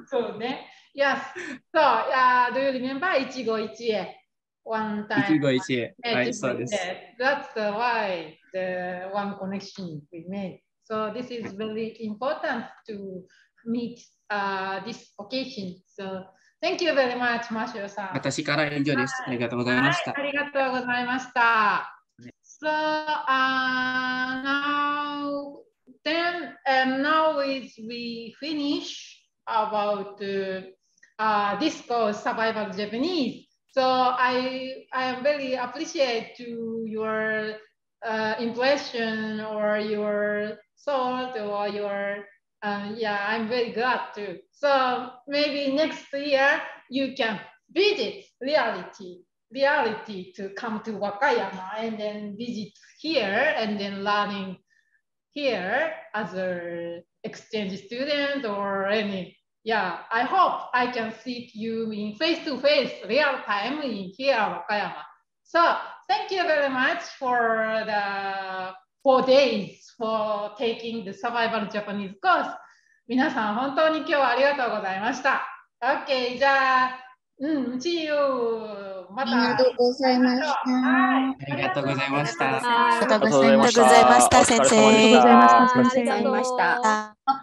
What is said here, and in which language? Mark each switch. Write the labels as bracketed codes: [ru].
[en] So, yes. So, do you remember Ichigo Ichie? One time. Ichigo Ichie. I saw this. That's why the one connection we made. So, this is really important to meet this occasion. So, thank you very much, Masuo-san. [ja] 私から以上です。ありがとうございました。ありがとうございました。 [en] So now we finish about this course, Survival Japanese. So I really appreciate to your impression or your thought or your, I'm very glad too. So maybe next year you can visit reality to come to Wakayama and then visit here and then learning here as a exchange student or any. Yeah, I hope I can see you in face to face real time in here in Wakayama. So thank you very much for the 4 days for taking the Survival Japanese course. [ja] 皆さん本当に今日はありがとうございました。 [en] Okay, [ja] じゃあ、 [en] see you. [ja] またありがとうございました。ありがとうございました。ありがとうございました。先生。ありがとうございました。ありがとうございました。